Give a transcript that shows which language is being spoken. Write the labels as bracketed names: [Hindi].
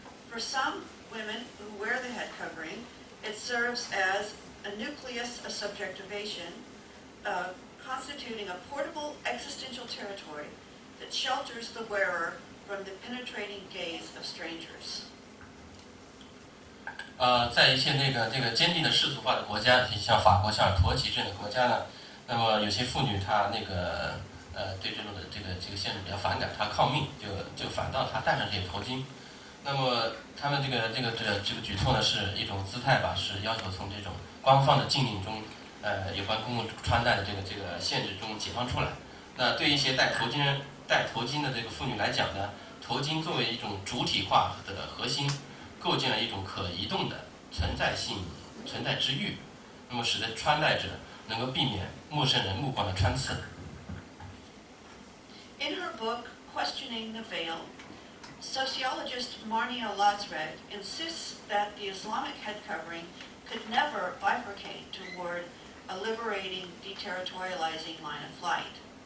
[English] For some women who wear the head covering, it serves as a nucleus of subjectivation, constituting a portable existential territory that shelters the wearer from the penetrating gaze of strangers. [Chinese] 在一些这个坚定的世俗化的国家，像法国、像土耳其这样的国家呢，那么有些妇女她对这种的这个限制比较反感，她抗命，就反倒她戴上这些头巾。那么他们这个举措呢，是一种姿态吧，是要求从这种官方的禁令中，有关公共穿戴的这个限制中解放出来。那对一些戴头巾的这个妇女来讲呢，头巾作为一种主体化的核心，构建了一种可移动的存在性、存在之域，那么使得穿戴者能够避免陌生人目光的穿刺。 [English] In her book, Questioning the Veil,Sociologist Marnia Lazreg insists that the Islamic head covering could never bifurcate toward a liberating, deterritorializing line of flight.